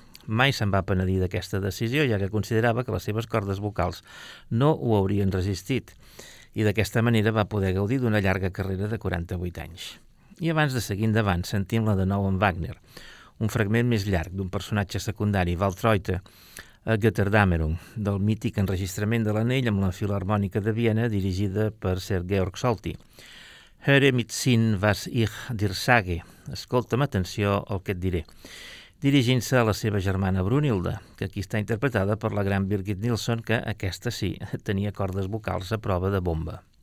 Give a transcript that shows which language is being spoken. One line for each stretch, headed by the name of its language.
Catalan: Mai se'n va penedir d'aquesta decisió, ja que considerava que les seves cordes vocals no ho haurien resistit i d'aquesta manera va poder gaudir d'una llarga carrera de 48 anys. I abans de seguir endavant, sentim-la de nou amb Wagner, un fragment més llarg d'un personatge secundari, Waltreuther, a Götterdämmerung, del mític enregistrament de l'Anell amb la Filarmònica de Viena, dirigida per Sir Georg Solti.
German: Höre mit Sinn, was ich dir sage.
Catalan: Escolta amb atenció el que et diré. Dirigint-se a la seva germana Brunhilde, que aquí està interpretada per la gran Birgit Nilsson, que aquesta sí, tenia cordes vocals a prova de bomba.